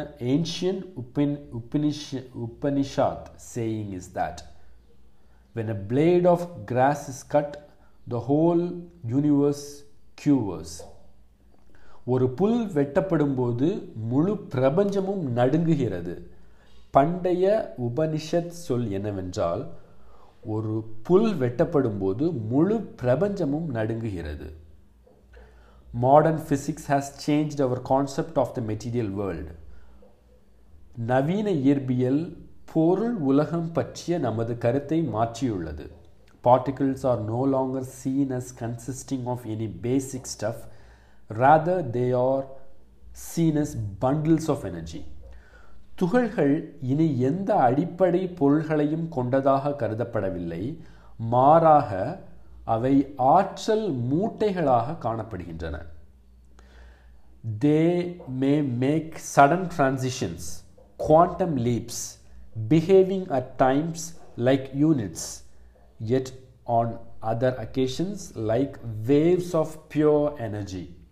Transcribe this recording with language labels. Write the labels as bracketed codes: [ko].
[en] Ancient Upanishad saying is that when a blade of grass is cut, the whole universe quivers. [ta] ஒரு புல் வெட்டப்படும்போது முழு பிரபஞ்சமும் நடுங்குகிறது. பண்டைய உபனிஷத் சொல் என்னவென்றால், ஒரு புல் வெட்டப்படும்போது முழு பிரபஞ்சமும் நடுங்குகிறது. [en] Modern physics has changed our concept of the material world. [ta] நவீன இயற்பியல் பொருள் உலகம் பற்றிய நமது கருத்தை மாற்றியுள்ளது. [en] Particles are no longer seen as consisting of any basic stuff. Rather, they are seen as bundles of energy. [ta] துகள்கள் இனி எந்த அடிப்படை பொருள்களையும் கொண்டதாக கருதப்படவில்லை. மாறாக அவை ஆற்றல் மூட்டைகளாக காணப்படுகின்றன. [en] They may make sudden transitions, quantum leaps, behaving at times like units, yet on other occasions like waves of pure energy.